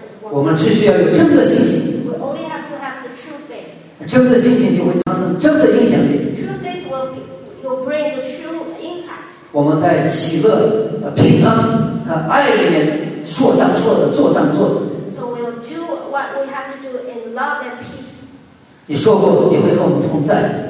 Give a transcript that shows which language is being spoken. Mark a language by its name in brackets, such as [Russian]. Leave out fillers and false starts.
[Chinese] 我们只需要有真的信心。 [English] We only have to have the true faith. [Chinese] 真的信心就会产生真的影响力。 [English] True faith will bring the true impact. [Chinese] 我们在喜乐、平安和爱里面说当说的，做当做的。 [English] So we'll do what we have to do in love and peace. [Chinese] 你说过你会和我们同在。